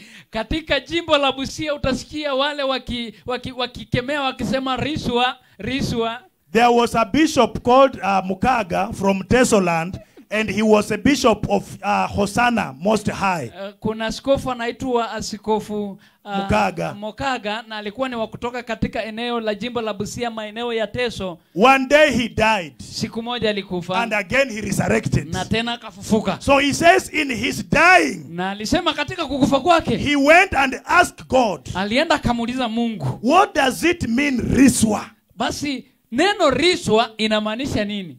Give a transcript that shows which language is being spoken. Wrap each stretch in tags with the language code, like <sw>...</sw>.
<sw>Katika jimbo la Busia utasikia wale wakikemea wakisema riswa, riswa.</sw> <en>There was a bishop called Mukaga from Tesoland. And he was a bishop of Hosanna Most High.</en> <sw>Kuna askofu anaitwa askofu Mukaga. Mukaga na alikuwa ni wa kutoka katika eneo la jimbo la Busia, maeneo ya Teso.</sw> <en>One day he died.</en> <sw>Siku moja alikufa.</sw> <en>And again he resurrected.</en> <sw>Na tena akafufuka.</sw> <en>So he says in his dying.</en> <sw>Na alisema katika kukufa kwake.</sw> <en>He went and asked God.</en> <sw>Alienda akamuuliza Mungu.</sw> <en>What does it mean riswa?</en> <sw>Basi neno riswa inamaanisha nini?</sw>